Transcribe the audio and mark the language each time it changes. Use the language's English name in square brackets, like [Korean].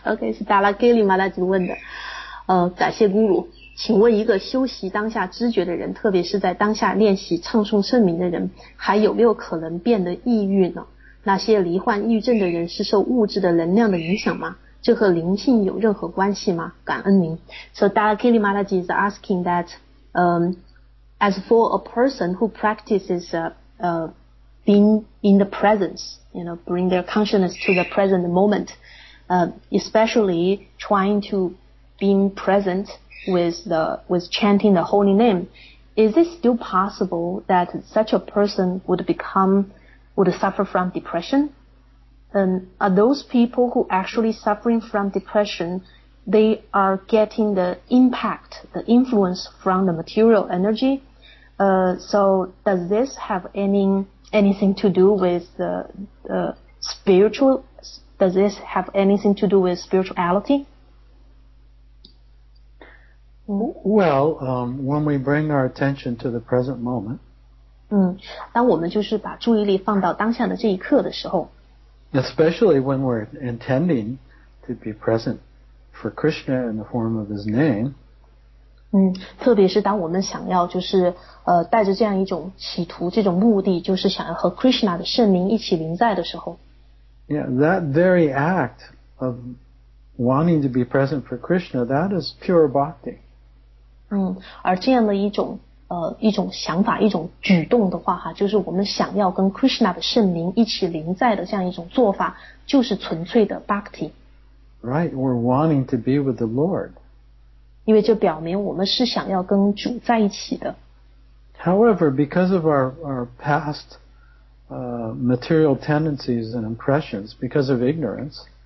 [Chinese] OK, 是达拉盖里马达吉问的。感谢顾惹，请问一个修习当下知觉的人，特别是在当下练习唱诵圣名的人，还有没有可能变得抑郁呢？那些罹患抑郁症的人是受物质的能量的影响吗？这和灵性有任何关系吗？感恩您。 [English] So, 达拉盖里马达吉 is asking that, As for a person who practices being in the presence, you know, bring their consciousness to the present moment, especially trying to be present with chanting the holy name, is it still possible that such a person would suffer from depression? And are those people who actually suffering from depression, they are getting the impact, the influence from the material energy? So does this have anything to do with spiritual? Does this have anything to do with spirituality? Well, when we bring our attention to the present moment, [Chinese] 当我们就是把注意力放到当下的这一刻的时候。 [English] Especially when we're intending to be present for Krishna in the form of his name. [Chinese] 特别是当我们想要就是带着这样一种企图，这种目的，就是想要和 Krishna 的圣名一起临在的时候。 [English] Yeah, that very act of wanting to be present for Krishna, that is pure bhakti. [Chinese] 而这样的一种想法，一种举动的话，就是我们想要跟 Krishna 的圣名一起临在的这样一种做法，就是纯粹的 bhakti. [English] Right, we're wanting to be with the Lord. [Chinese] 因为这表明我们是想要跟主在一起的。 [English] However, because of our past material tendencies and impressions, because of ignorance,